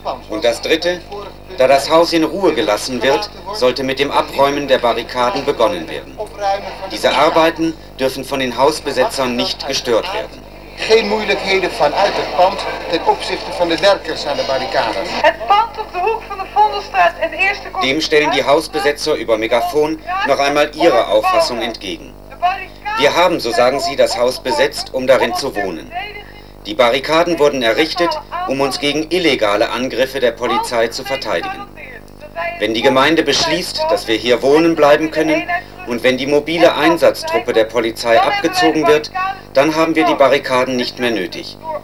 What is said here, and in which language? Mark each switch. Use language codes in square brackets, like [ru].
[de] Und das Dritte, da das Haus in Ruhe gelassen wird, sollte mit dem Abräumen der Barrikaden begonnen werden. Diese Arbeiten dürfen von den Hausbesetzern nicht gestört werden. [nl] Geen moeilijkheden vanuit het pand ten opzichte van de werkers aan de barricades. Het pand op de hoek van de Vondelstraat en de eerste... [de] Dem stellen die Hausbesetzer über Megafon noch einmal ihre Auffassung entgegen. Wir haben, so sagen sie, das Haus besetzt, um darin zu wohnen. Die Barrikaden wurden errichtet, um uns gegen illegale Angriffe der Polizei zu verteidigen. Wenn die Gemeinde beschließt, dass wir hier wohnen bleiben können und wenn die mobile Einsatztruppe der Polizei abgezogen wird, dann haben wir die Barrikaden nicht mehr nötig.